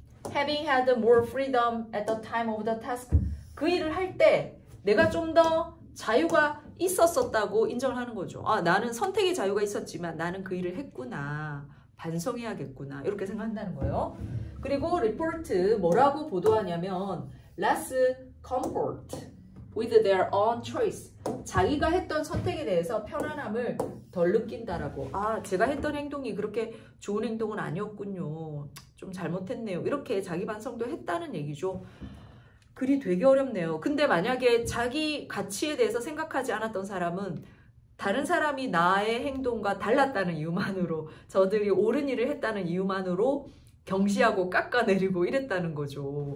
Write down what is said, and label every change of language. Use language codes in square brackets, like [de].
[en] Having had more freedom at the time of the task. [ko] 그 일을 할 때 내가 좀 더 자유가 있었었다고 인정하는 거죠. 아, 나는 선택의 자유가 있었지만 나는 그 일을 했구나. 반성해야겠구나. 이렇게 생각한다는 거예요. 그리고 리포트 뭐라고 보도하냐면 [en] less comfort with their own choice. [ko] 자기가 했던 선택에 대해서 편안함을 덜 느낀다라고. 아, 제가 했던 행동이 그렇게 좋은 행동은 아니었군요. 좀 잘못했네요. 이렇게 자기 반성도 했다는 얘기죠. 그리 되게 어렵네요. 근데 만약에 자기 가치에 대해서 생각하지 않았던 사람은 다른 사람이 나의 행동과 달랐다는 이유만으로, 저들이 옳은 일을 했다는 이유만으로 경시하고 깎아내리고 이랬다는 거죠.